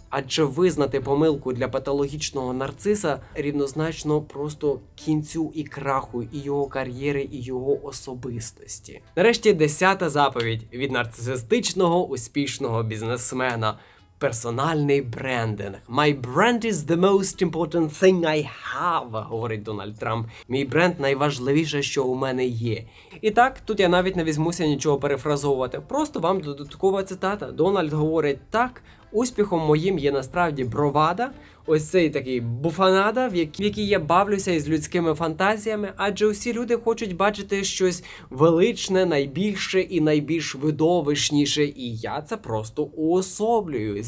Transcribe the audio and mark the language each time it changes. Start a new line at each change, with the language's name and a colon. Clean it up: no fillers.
Ukrainian: Адже визнати помилку для патологічного нарциса рівнозначно просто кінцю і краху і його кар'єри, і його особистості. Нарешті, 10-та заповідь від нарцисистичного успішного бізнесмена. Персональний брендинг.
English: «My brand is the most important thing I have»,
Ukrainian: говорить Дональд Трамп. «Мій бренд найважливіше, що у мене є». І так, тут я навіть не візьмуся нічого перефразовувати. Просто вам додаткова цитата. Дональд говорить так: «Успіхом моїм є насправді бровада, ось цей такий буфанада, в якій я бавлюся із людськими фантазіями, адже усі люди хочуть бачити щось величне, найбільше і найбільш видовищніше, і я це просто уособлюю.